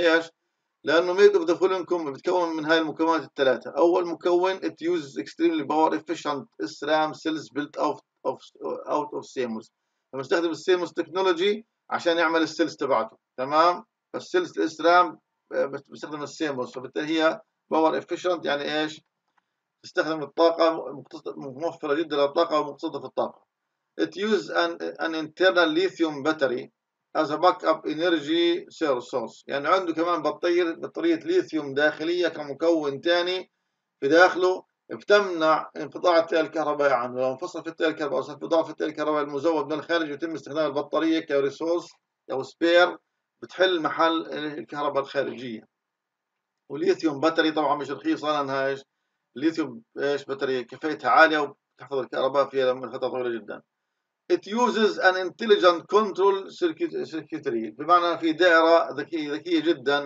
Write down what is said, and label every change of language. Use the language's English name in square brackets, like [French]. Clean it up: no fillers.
[Arabic] ليش؟ لانه [English] made of the فولينكم [Arabic] بتكون من هاي المكونات الثلاثه، اول مكون [English] it uses extremely power efficient SRAM cells built out of CMOS, [Arabic] فبستخدم السيموس تكنولوجي عشان يعمل السيلز تبعته، تمام؟ فالسيلز الاس رام بستخدم السيموس، فبالتالي هي باور افيشنت يعني ايش؟ تستخدم الطاقة موفرة جدا للطاقة ومقتصدة في الطاقة. [English] It uses an internal lithium battery as a backup energy source. [Arabic] يعني عنده كمان بطارية ليثيوم داخلية كمكون ثاني في داخله بتمنع انقطاع التيار الكهربائي عنه. لو انفصل في التيار الكهربائي او انفصل في التيار الكهربائي المزود من الخارج يتم استخدام البطاريه كريسورس او سبير بتحل محل الكهرباء الخارجيه. والليثيوم باتري طبعا مش رخيصه لانها ايش؟ الليثيوم ايش؟ بطاريه كفايتها عاليه وتحفظ الكهرباء فيها لفتره طويله جدا. [English] It uses an intelligent control circuitry [Arabic] بمعنى في دائرة ذكية جدا.